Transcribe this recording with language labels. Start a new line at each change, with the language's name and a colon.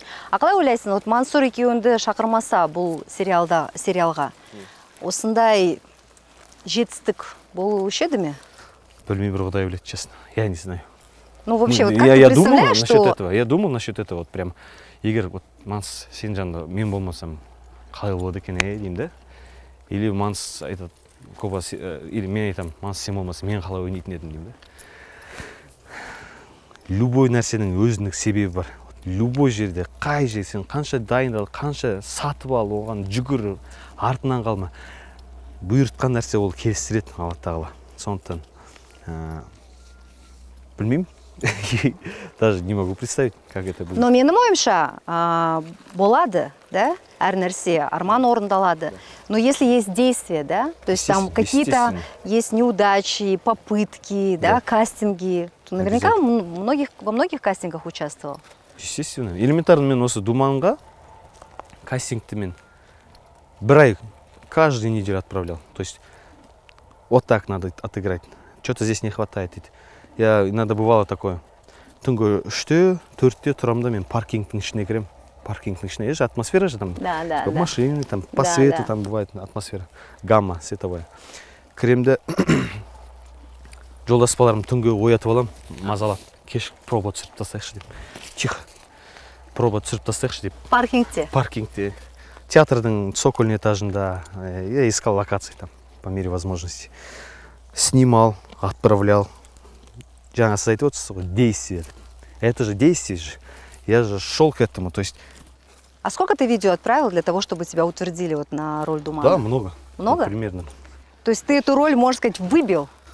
Kazakh: А қалай ойлайсың, вот Мансұр екеуіңді шақырмаса бұл сериалда, сериалға? Осындай жетістік болушы еді ме? Білмей бір құдай біледі, честно.
Russian: Я не знаю. Ну, вообще, вот как ты представляешь, что... Я думал насчет этого, вот прям.
Kazakh: Егер вот Манс сен жанында мен болмасам, қалай болады екен, деймін да? Или Манс айтат, Коба, или мен айтам, Манс сен болмасам, мен қалай ойнайтын едім, деймін да? Любой нәрсенің өзінің себебі бар. Любой жерде, қай жерде сен қанша дайындал, қанша сатып ал, оған жүгір, артынан қалма. Бұйыртқан нәрсе ол келістіреді Алла Тағала. Сондықтан, білмеймін,
Russian: даже не могу представить, как это будет.
Kazakh: Но менің ойымша болады, да? Әр нәрсе, арман орындалады.
Russian: Но если есть действие, да? То есть там какие-то есть неудачи, попытки, да, кастинги. Наверняка во многих кастингах участвовал.
Kazakh: Естественно. Элементарно, мен осы Думанға кастингті мен бір ай
Russian: каждую неделю отправлял. То есть вот так надо отыграть. Что-то здесь не хватает. Я иногда бывало такое.
Kazakh: Түнгі үште, төртте тұрамда мен паркингтің ішіне кірем. Паркингтің ішіне.
Russian: Есть же атмосфера же там. Да, да. Машины, да. Там, по да, свету да. Там бывает атмосфера. Гамма световая.
Kazakh: Кремде жолдасып аларым түнгі оятып алам, мазалап. Кеш проба түсіріп тастайықшы деп. Тихо. Проба түсіріп тастайықшы деп. Паркингте. Паркингте. Театрдың цокольный этажында
Russian: я искал локации там по мере возможности. Снимал, отправлял.
Kazakh: Жаңа сіз айтып отырсыз ғой, действие.
Russian: Это же действие же. Я же шел к этому, то есть. А сколько ты видео отправил для того, чтобы тебя утвердили вот на роль Думана? Да, много. Много? Ну, примерно. То есть ты эту роль, можно сказать, выбил?